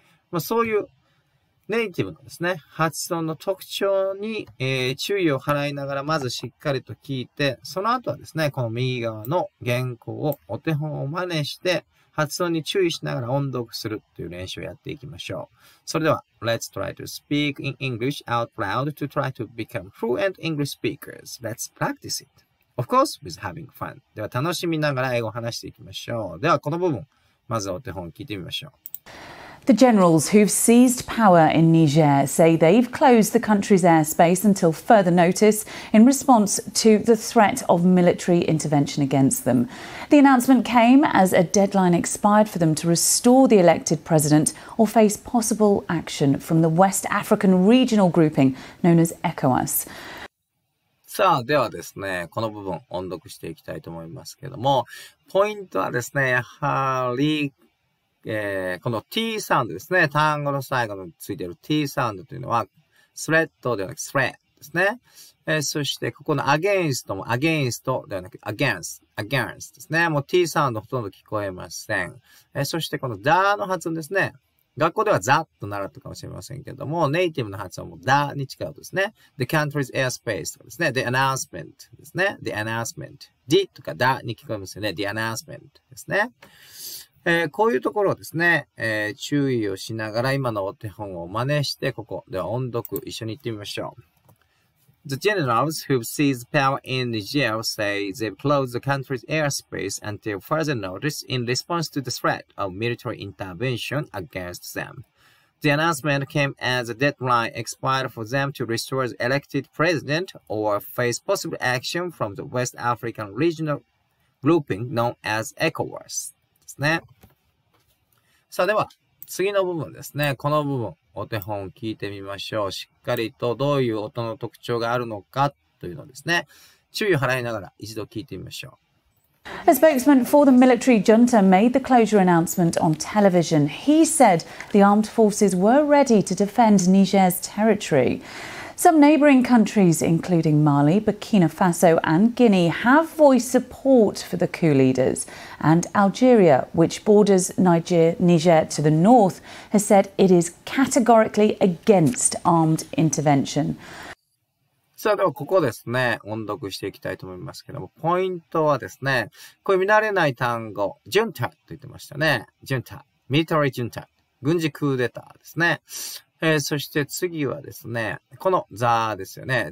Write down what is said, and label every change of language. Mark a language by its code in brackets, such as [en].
[ja] まあ、そういうネイティブのですね、発音の特徴に、注意を払いながら、まずしっかりと聞いて、その後はですね、この右側の原稿をお手本を真似して、発音に注意しながら音読するという練習をやっていきましょう。それでは、 [en] Let's try to speak in English out loud to try to become fluent English speakers. Let's practice it. Of course, with having fun. [ja] では、楽しみながら英語を話していきましょう。では、この部分、まずお手本を聞いてみましょう。 [en] The generals who've seized power in Niger say they've closed the country's airspace until further notice in response to the threat of military intervention against them. The announcement came as a deadline expired for them to restore the elected president or face possible action from the West African regional grouping known as ECOWAS. [ja] さあ、ではですね、この部分音読していきたいと思いますけども、ポイントはですね、やはりこの T サウンドですね。単語の最後についている T サウンドというのは、スレッドではなくスレッドですね。そして、ここの against も against ではなく against、against ですね。もう T サウンドほとんど聞こえません。そして、このダーの発音ですね。学校ではザッと習ったかもしれませんけども、ネイティブの発音もダーに近いですね。 The country's airspace とかですね。The announcement ですね。The announcement。 D とかダーに聞こえますよね。The announcement ですね。こういうところをですね、注意をしながら今のお手本を真似して、ここでは音読一緒に行ってみましょう。 [en] The generals who've seized power in Niger say they've closed the country's airspace until further notice in response to the threat of military intervention against them. The announcement came as a deadline expired for them to restore the elected president or face possible action from the West African regional grouping known as ECOWAS. [ja] ね、さあでは次の部分ですね。この部分お手本聞いてみましょう。しっかりとどういう音の特徴があるのかというのですね、注意を払いながら一度聞いてみましょう。 [en] A spokesman for the military junta made the closure announcement on television. He said the armed forces were ready to defend Niger's territory. Some neighboring countries including Mali, Burkina Faso and Guinea have voiced support for the coup leaders. And Algeria, which borders Niger to the north, has said it is categorically against armed intervention. [ja] さあ、ではここですね、音読していきたいと思いますけども、ポイントはですね、こういう見慣れない単語、ジュンタと言ってましたね。ジュンタ、ミリタリージュンタ、軍事クーデターですね。そして次はですね、このザーですよね。